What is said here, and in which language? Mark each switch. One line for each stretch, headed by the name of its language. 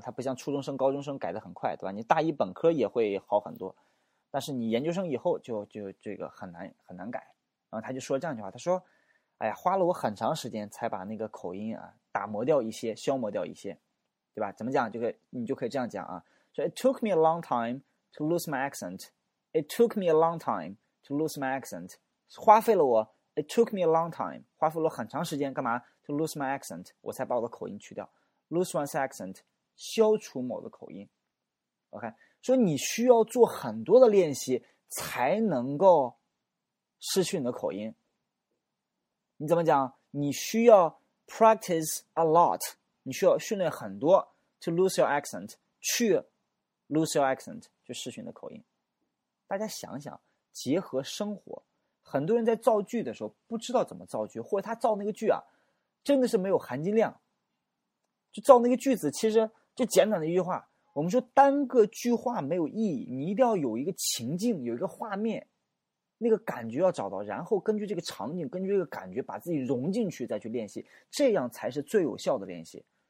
Chinese: 它不像初中生、高中生改得很快，对吧？你大一本科也会好很多，但是你研究生以后就这个很难很难改。然后他就说这样一句话，他说：“哎呀，花了我很长时间才把那个口音啊打磨掉一些，消磨掉一些，对吧？怎么讲？你就可以这样讲啊。
English: So it took me a long time to lose my accent. It took me a long time to lose my accent.
Chinese: 花费了我。”
English: It took me a long time,
Chinese: 花费了很长时间干嘛
English: to lose my accent,
Chinese: 我才把我的口音去掉。
English: Lose one's accent,
Chinese: 消除某的口音。OK, 所以你需要做很多的练习才能够失去你的口音。你怎么讲？你需要
English: practice a lot,
Chinese: 你需要训练很多
English: to lose your accent, 去 lose your accent,
Chinese: 就失去你的口音。大家想想，结合生活。很多人在造句的时候不知道怎么造句，或者他造那个句啊真的是没有含金量，就造那个句子其实就简短的一句话。我们说单个句话没有意义，你一定要有一个情境，有一个画面，那个感觉要找到，然后根据这个场景，根据这个感觉把自己融进去，再去练习，这样才是最有效的练习。